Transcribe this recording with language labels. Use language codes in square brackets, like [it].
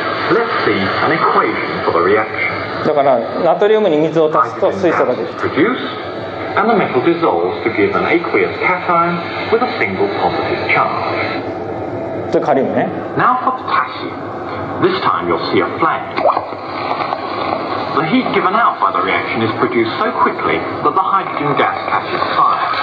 [en] Let's see an equation for the reaction. [ja] だからナトリウムに水を足すと水素が出る。 [en] Produced, and the metal dissolves to give an aqueous cation with a single positive charge. [ja] でカリウムね。 [en] Now for potassium. This time you'll see a flame. The heat given out by the reaction is produced so quickly that the hydrogen gas catches fire.